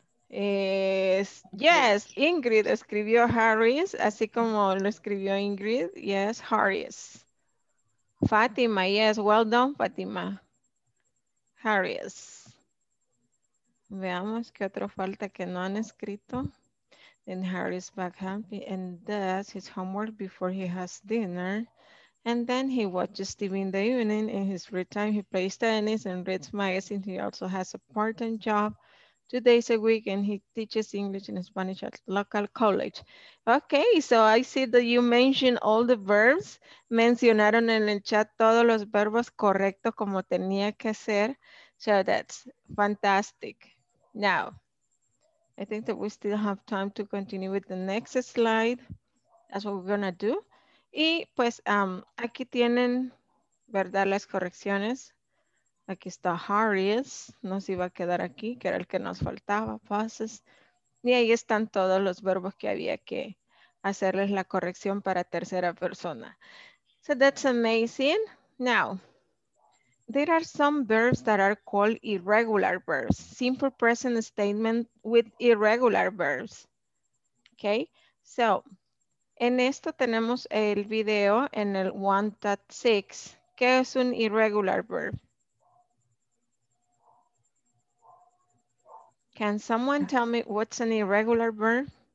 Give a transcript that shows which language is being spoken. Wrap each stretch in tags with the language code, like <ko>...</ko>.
<es>Es, yes, Ingrid escribió Harris, así como lo escribió Ingrid, yes, Harris.</es> <en>Fátima, yes, well done, Fátima. Harris.</en> <es>Veamos qué otro falta que no han escrito.</es> <en>Then Harris back happy and does his homework before he has dinner. And then he watches TV in the evening. In his free time, he plays tennis and reads magazines. He also has a part-time job. 2 days a week, and he teaches English and Spanish at local college. Okay, so I see that you mentioned all the verbs.</en> <es>Mencionaron en el chat todos los verbos correctos como tenía que ser.</es> <en>So that's fantastic. Now, I think that we still have time to continue with the next slide. That's what we're gonna do.</en> <es>Y pues aquí tienen, ¿verdad?, las correcciones. Aquí está Harris, nos iba a quedar aquí, que era el que nos faltaba, passes. Y ahí están todos los verbos que había que hacerles la corrección para tercera persona.</es> <en>So that's amazing. Now, there are some verbs that are called irregular verbs. Simple present statement with irregular verbs.</en> <es>Okay, so en esto tenemos el video en el 1.6. ¿Qué es un irregular verb?</es> <en>Can someone tell me what's an irregular verb?</en>